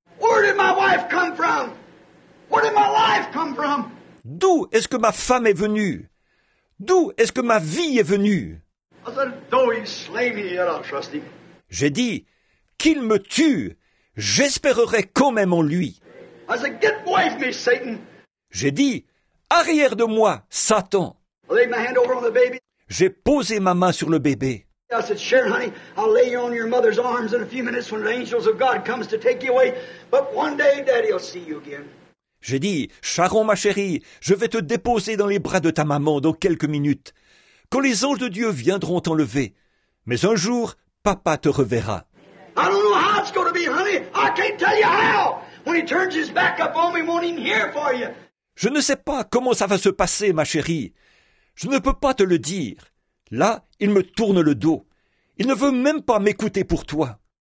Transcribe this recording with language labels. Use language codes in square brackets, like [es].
[en] Where did my wife come from? Where did my life come from? [fr] D'où est-ce que ma femme est venue? D'où est-ce que ma vie est venue? [en] I said, though he slay me, yet I'll trust him. [fr] J'ai dit, qu'il me tue, j'espérerai quand même en lui. [en] I said, get away from me, Satan. [fr] J'ai dit, arrière de moi, Satan. [en] I laid my hand over on the baby. [fr] J'ai posé ma main sur le bébé. [en] I said, Sharon, honey, I'll lay you on your mother's arms in a few minutes when the angels of God comes to take you away. But one day, Daddy will see you again. [fr] J'ai dit, Sharon, ma chérie, je vais te déposer dans les bras de ta maman dans quelques minutes, quand les anges de Dieu viendront t'enlever. Mais un jour, papa te reverra. [en] I don't know how it's going to be, honey. I can't tell you how. When he turns his back up on me, he won't even hear for you. [fr] Je ne sais pas comment ça va se passer, ma chérie. Je ne peux pas te le dire. Là, il me tourne le dos. Il ne veut même pas m'écouter pour toi.